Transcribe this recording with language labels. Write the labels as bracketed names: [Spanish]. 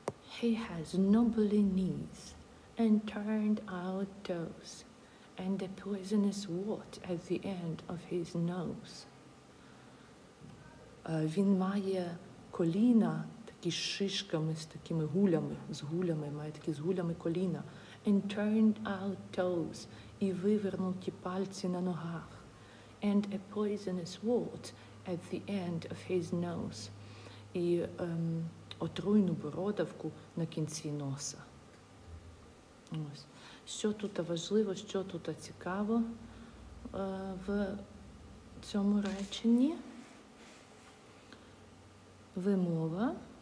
[English] He has knobbly knees and turned out toes and a poisonous wart at the end of his nose. [Ukrainian] Він має коліна такі з шишками, з такими гулями, коліна. [English] And turned out toes, [Ukrainian] і вивернуті пальці на ногах. [English] And a poisonous wart at the end of his nose. [Ukrainian] І отруйну бородавку на кінці носа. Ось. Що тут важливо, що тут цікаво в цьому реченні? Вимова.